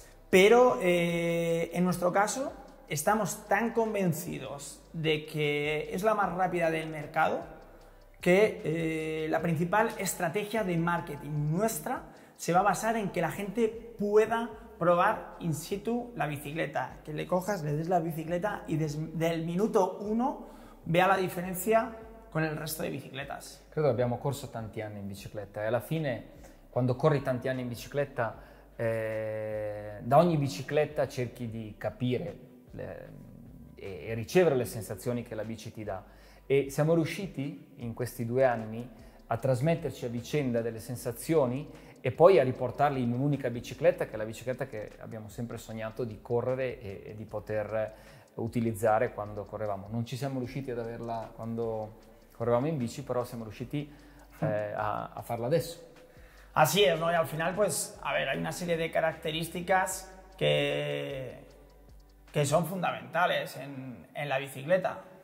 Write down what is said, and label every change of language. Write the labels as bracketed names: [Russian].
[Spanish] Pero en nuestro caso estamos tan convencidos de que es la más rápida del mercado que la principal estrategia de marketing nuestra se va a basar en que la gente pueda probar in situ la bicicleta, que le cojas, le des la bicicleta y del minuto uno vea la diferencia con el resto de bicicletas. [Italian] Credo abbiamo corso tanti anni in bicicletta e alla fine, quando corri tanti anni in bicicletta, da ogni bicicletta cerchi di capire e ricevere le sensazioni che la bici ti dà. E siamo riusciti in questi 2 anni a trasmetterci a vicenda delle sensazioni e poi a riportarle in un'unica bicicletta, che è la bicicletta che abbiamo sempre sognato di correre e di poter utilizzare quando correvamo. Non ci siamo riusciti ad averla quando correvamo in bici, però siamo riusciti a farla adesso. [Spanish] Así es, ¿no? Y al final, pues, a ver, hay una serie de características que son fundamentales en la bicicleta.